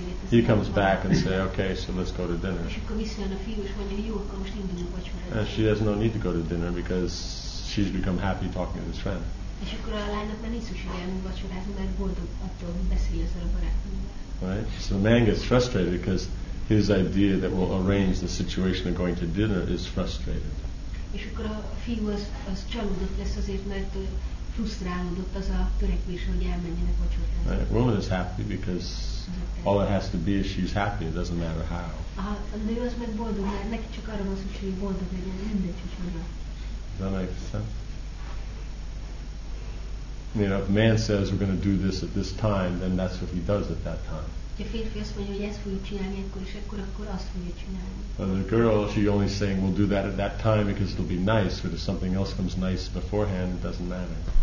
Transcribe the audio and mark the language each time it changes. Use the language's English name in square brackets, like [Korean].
[English] He comes back and says, okay, so let's go to dinner. And she has no need to go to dinner because she's become happy talking to this friend. Right? So the man gets frustrated because his idea that we'll arrange the situation of going to dinner is frustrated. [Hungarian] És akkor a fiú az csalódott lesz azért, mert frusztrálódott az a törekvés, hogy elmenjenek vacsorázni. [English] Right. Woman is happy because all it has to be is she's happy. It doesn't matter how. [Hungarian] A nő az meg boldog, mert neki csak arra van szükség, hogy boldog legyen, mindegy, hogy hogyan. [English] Does that make sense? You know, if a man says we're going to do this at this time, then that's what he does at that time. But the girl, she only saying we'll do that at that time because it'll be nice, but if something else comes nice beforehand, it doesn't matter.